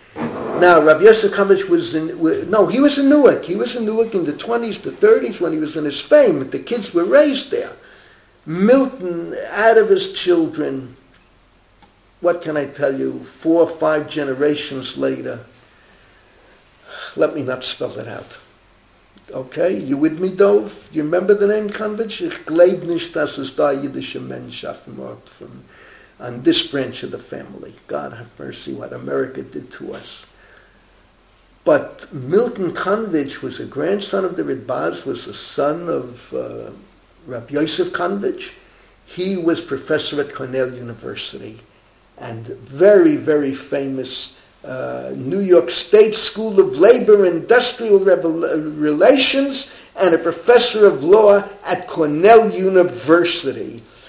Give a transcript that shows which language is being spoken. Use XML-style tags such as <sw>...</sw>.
<en>Now, Rav Yosef Konovitz was in Newark. He was in Newark in the 20s, the 30s, when he was in his fame. The kids were raised there. Milton, out of his children, what can I tell you, 4 or 5 generations later, let me not spell it out. Okay, you with me, Dov? You remember the name Kanvich?</en> <de>Ich glaube nicht, dass es da jüdische Mensch auf dem Ort von,</de> <en>on this branch of the family. God have mercy, what America did to us. But Milton Kanvich was a grandson of the Ritbaz, was a son of Rav Yosef Kanvich. He was professor at Cornell University and very, very famous New York State School of Labor Industrial Relations and a professor of law at Cornell University.</en>